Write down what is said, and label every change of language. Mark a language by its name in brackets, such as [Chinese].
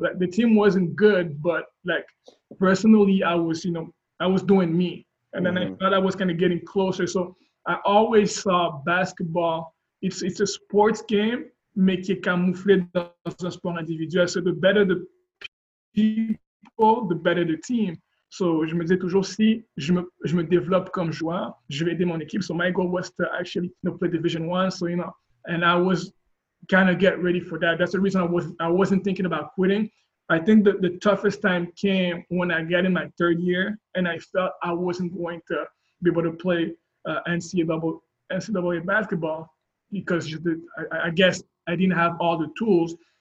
[English] Like, the team wasn't good, but like personally, I was, you know, I was doing me. And then I thought I was kind of getting closer. So I always saw basketball. It's a sports game, [French] mais qui est camouflé dans un sport individuel. [English] So the better the people, the better the team. [French] So je me disais toujours, si je me développe comme joueur, je vais aider mon équipe. [English] So my goal was to actually, you know, play Division I. So, you know, and I was kind of get ready for that. That's the reason I wasn't thinking about quitting. I think the toughest time came when I got in my third year and I felt I wasn't going to be able to play NCAA basketball because I guess I didn't have all the tools.